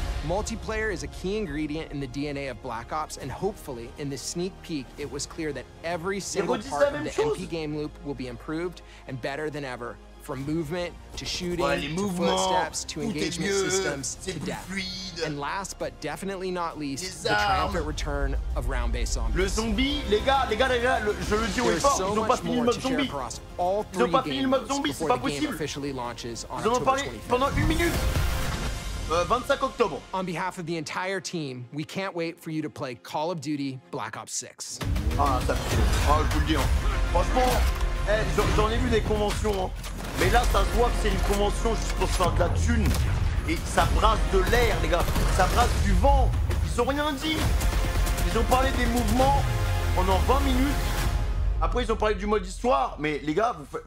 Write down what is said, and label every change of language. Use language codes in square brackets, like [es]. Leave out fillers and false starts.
[en] Multiplayer is a key ingredient in the DNA of Black Ops, and hopefully, in this sneak peek, it was clear that every single part of the MP game loop will be improved and better than ever. From movement, to shooting, [fr] ouais, [en] to footsteps, to engagement systems, to death. [fr] Fluide. [en] And last but definitely not least, the triumphant return of round-based zombies. [fr] Le zombie, les gars, je le dis au fort, [en] so [fr] ils n'ont pas fini le mode zombie. Ils n'ont pas fini le mode zombie, c'est pas possible. Ils en ont parlé pendant une minute. 25 octobre. [en] On behalf of the entire team, we can't wait for you to play Call of Duty Black Ops 6. [fr] Ah, ça fait chier. Ah, je vous le dis, hein. Franchement, j'en ai vu des conventions, hein. Mais là, ça se voit que c'est une convention juste pour se faire de la thune. Et ça brasse de l'air, les gars. Ça brasse du vent. Ils ont rien dit. Ils ont parlé des mouvements pendant 20 minutes. Après, ils ont parlé du mode histoire. Mais les gars, vous faites...